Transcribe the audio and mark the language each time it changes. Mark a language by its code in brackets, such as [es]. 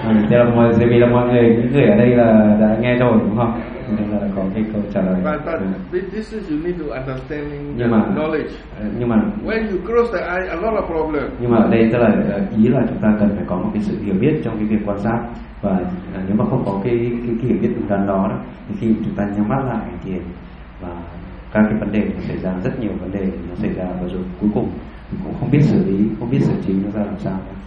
[vi] Thế là mọi người, vì là mọi người những người ở đây là đã nghe rồi đúng không? Nên là có cái câu trả lời. [en] But this is you need to understanding knowledge. [vi] Nhưng mà [en] when you close the eye, a lot of problem. [vi] Nhưng mà đây tức là ý là chúng ta cần phải có một cái sự hiểu biết trong cái việc quan sát, và nếu mà không có cái hiểu biết đúng đắn đó thì khi chúng ta nhắm mắt lại thì và các cái vấn đề nó xảy ra, rất nhiều vấn đề nó xảy ra, và rồi cuối cùng cũng không biết xử lý, không biết xử trí nó ra làm sao.